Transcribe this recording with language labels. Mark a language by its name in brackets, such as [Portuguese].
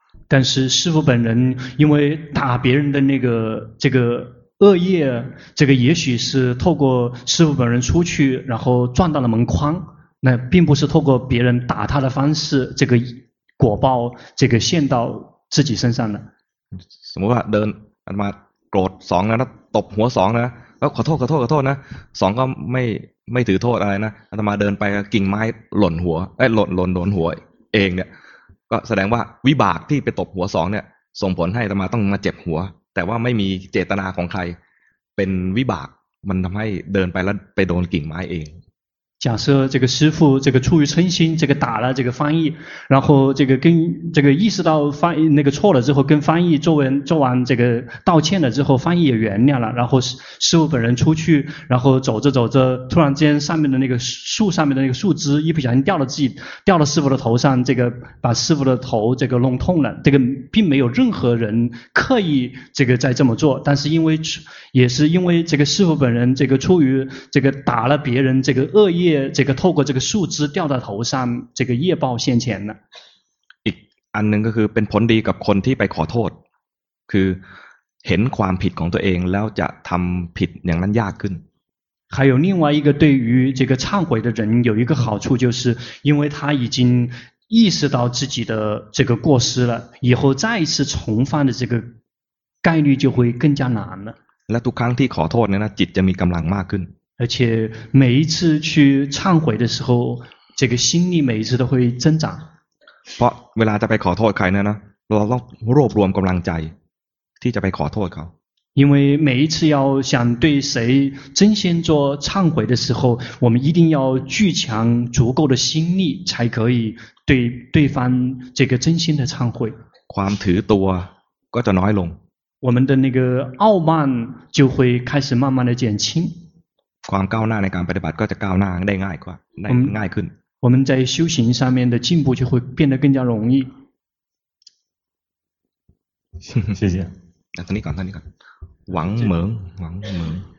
[Chinese] 但是师父本人因为打别人的那个这个恶业这个也许是透过师父本人出去然后撞到了门框那并不是透过别人打他的方式这个果报这个现到自己身上的 [Thai] สมมติว่าเดินอาตมาโกรธสองแล้วตบหัวสองนะแล้วขอโทษขอโทษขอโทษนะสองก็ไม่ถือโทษอะไรนะอาตมาเดินไปกิ่งไม้หล่นหัวไอ้หล่นหัวเองเนี่ยก็แสดงว่าวิบากที่ไปตบหัวสองเนี่ยส่งผลให้อาตมาต้องมาเจ็บหัวแต่ว่าไม่มีเจตนาของใครเป็นวิบากมันทำให้เดินไปแล้วไปโดนกิ่งไม้เอง [Chinese] 假设这个师父这个出于嗔心这个打了这个翻译然后这个跟这个意识到翻译那个错了之后跟翻译做完这个道歉了之后翻译也原谅了然后师父本人出去然后走着走着突然间上面的那个树上面的那个树枝一不小心掉了师父的头上这个把师父的头这个弄痛了这个并没有任何人刻意这个在这么做但是因为也是因为这个师父本人这个出于这个打了别人这个恶意业这个透过这个树枝掉到头上，这个业报现前呢？ [Thai] อีกอันหนึ่งก็คือเป็นผลดีกับคนที่ไปขอโทษ，คือเห็นความผิดของตัวเองแล้วจะทำผิดอย่างนั้นยากขึ้น。 [Chinese] 还有另外一个对于这个忏悔的人有一个好处，就是因为他已经意识到自己的这个过失了，以后再一次重犯的这个概率就会更加难了。 [Thai] และทุกครั้งที่ขอโทษเนี่ยนะจิตจะมีกำลังมากขึ้น。 [Chinese] 而且每一次去忏悔的时候，这个心力每一次都会增长。 [Thai] เพราะเวลาจะไปขอโทษใครเนี่ยนะเราต้องรวบรวมกำลังใจที่จะไปขอโทษเขา。 [Chinese] 因为每一次要想对谁真心做忏悔的时候，我们一定要聚强足够的心力，才可以对对方这个真心的忏悔。 [Thai] ความถือตัวก็จะน้อยลง。 [Chinese] 我们的那个傲慢就会开始慢慢的减轻。 [Thai] ความก้าวหน้าในการปฏิบัติก็จะก้าวหน้าได้ง่ายกว่าได้ง่ายขึ้น [Chinese] 我们在修行上面的进步就会变得更加容易谢谢 [Thai] ท่านนี้ก่อนหวังเหมิงหวังเหมิง